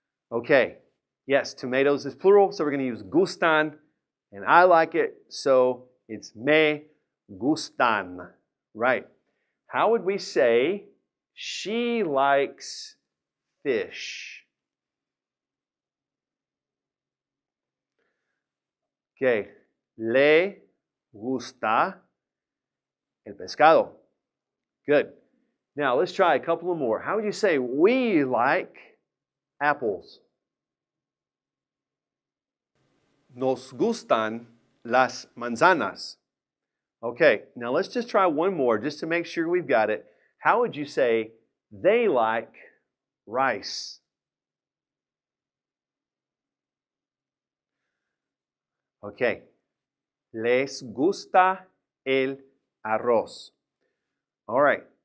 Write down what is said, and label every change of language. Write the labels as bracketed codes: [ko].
[en] Okay, yes, tomatoes is plural, so we're going to use gustan, and I like it, so it's me gustan. Right. How would we say, she likes fish? [es] Okay, le gusta el pescado. [en] Good. Now, let's try a couple of more. How would you say we like apples? [es] Nos gustan las manzanas. [en] Okay, now let's just try one more just to make sure we've got it. How would you say they like rice? [es] Okay, les gusta el arroz. [en] All right.